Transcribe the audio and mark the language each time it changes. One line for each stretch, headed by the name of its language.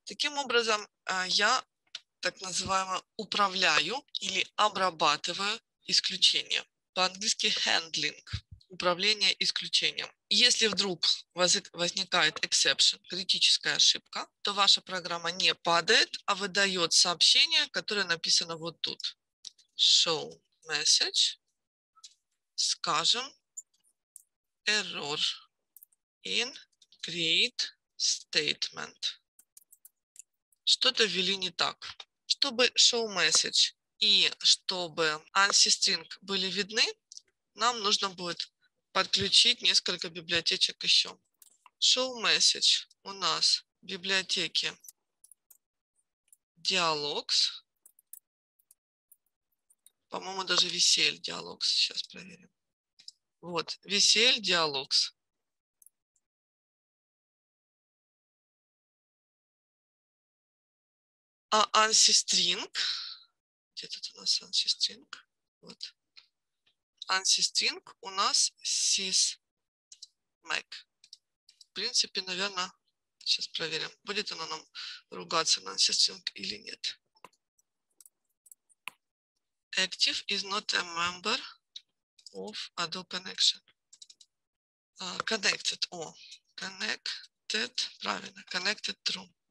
Russian: Таким образом, я так называемо управляю или обрабатываю исключение. По-английски handling – управление исключением. Если вдруг возникает exception, критическая ошибка, то ваша программа не падает, а выдает сообщение, которое написано вот тут.
English: Show message,
Russian: скажем,
English: error in create statement.
Russian: Что-то ввели не так. Чтобы show message и чтобы ANSI string были видны, нам нужно будет подключить несколько библиотечек еще. Show message у нас в библиотеке dialogs. По-моему, даже VCL dialogs. Сейчас проверим. Вот, VCL dialogs. А ANSI string, где тут у нас ANSI string? Вот. ANSI string у нас sysmec. В принципе, наверное, сейчас проверим, будет она нам ругаться на ANSI string или нет.
English: Active is not a member of Ado connection. Connected.
Russian: О, connected. Правильно, connected true.